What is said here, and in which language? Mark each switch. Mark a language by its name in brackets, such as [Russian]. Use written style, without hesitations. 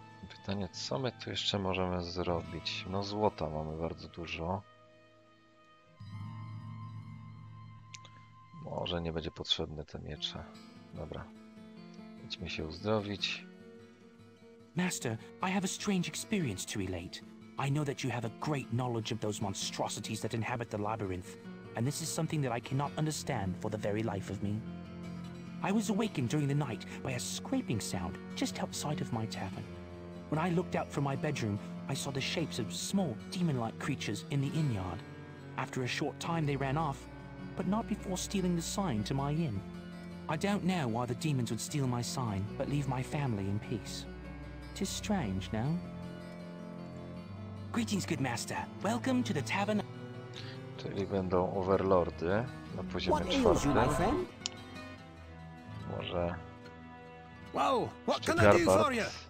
[Polish] Pytanie, co my tu jeszcze możemy zrobić? No złota mamy bardzo dużo. Może nie będzie potrzebne te miecze. Dobra. Idźmy się uzdrowić. [English] Master, I have a strange experience to relate. I know that you have a great knowledge of those monstrosities that inhabit the labyrinth, and this is something that I cannot understand for the very life of me. I was awakened during the night by a scraping sound just outside of my tavern. When I looked out from my bedroom, I saw the shapes of small, demon-like creatures in the inn yard. After a short time, they ran off, but not before stealing the sign to my inn. I don't know why the demons would steal my sign, but leave my family in peace. 'Tis strange, no? Greetings, good master. Welcome to the tavern. [Polish] Czyli będą overlordy na poziomie czwartym. [English] What ails you, my friend? [Polish] Może. [English] Well, what can I do for you?